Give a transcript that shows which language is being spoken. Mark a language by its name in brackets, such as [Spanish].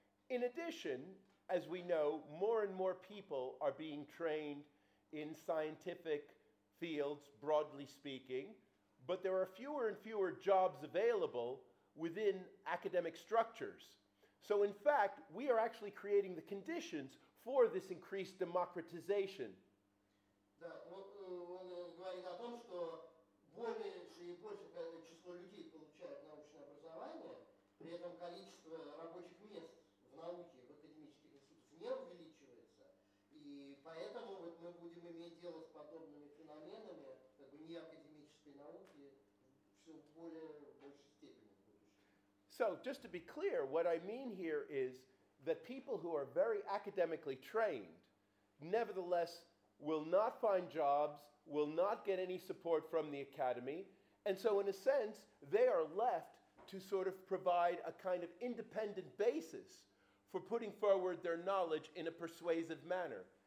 [English] In addition, as we know, more and more people are being trained in scientific fields, broadly speaking, but there are fewer and fewer jobs available within academic structures. So in fact, we are actually creating the conditions for this increased democratization. [Russian] Да, он говорит о том, что больше и больше число людей получают научное образование, при этом количество рабочих мест в науке, в академических институтах не увеличивается. И поэтому вот мы будем иметь дело с подобными феноменами, как бы не академической науки, все более в большей степени. [English] So, just to be clear, what I mean here is that people who are very academically trained nevertheless will not find jobs, will not get any support from the academy, and so in a sense, they are left to sort of provide a kind of independent basis for putting forward their knowledge in a persuasive manner.